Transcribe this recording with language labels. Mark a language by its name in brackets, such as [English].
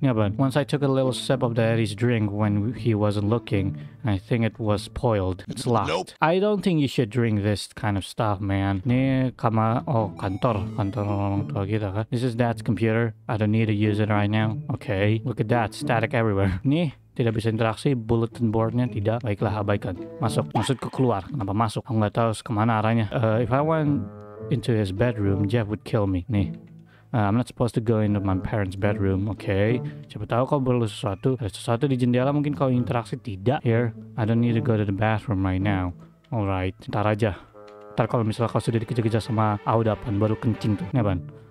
[English] Yeah, but once I took a little sip of daddy's drink when he wasn't looking, I think it was spoiled. It's locked. Nope. I don't think you should drink this kind of stuff, man. This is dad's computer. I don't need to use it right now. Okay, look at that, static everywhere. [Indonesian] Nih, tidak bisa interaksi, bulletin boardnya tidak. Baiklah, abaikan. Masuk, maksudku keluar. Kenapa masuk? Aku nggak tahu kemana arahnya. [English] If I went into his bedroom, Jeff would kill me. Nih. I'm not supposed to go into my parents' bedroom, okay? [Indonesian] Siapa tahu kau perlu sesuatu. Ada sesuatu di jendela, mungkin kau interaksi. Tidak. [English] Here, I don't need to go to the bathroom right now. [Indonesian] Alright, ntar aja. Ntar kalau misalnya kau sudah dikejar-kejar sama audapan, baru kencing tuh. Ini apaan?